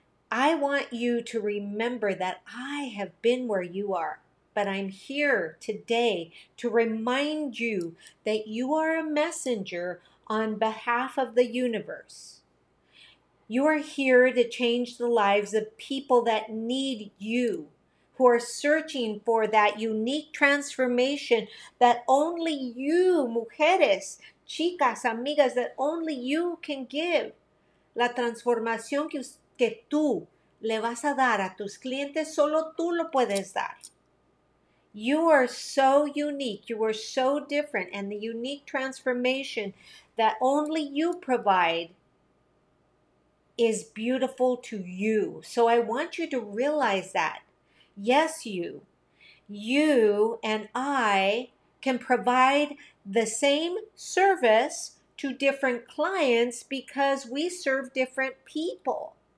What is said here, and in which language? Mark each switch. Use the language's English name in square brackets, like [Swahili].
[English] I want you to remember that I have been where you are, but I'm here today to remind you that you are a messenger on behalf of the universe. You are here to change the lives of people that need you, who are searching for that unique transformation that only you, [Spanish] mujeres, chicas, amigas, [English] that only you can give. [Spanish] La transformación que tú le vas a dar a tus clientes, solo tú lo puedes dar. [English] You are so unique. You are so different. And the unique transformation that only you provide is beautiful to you. So I want you to realize that. Yes, you. You and I can provide the same service to different clients because we serve different people.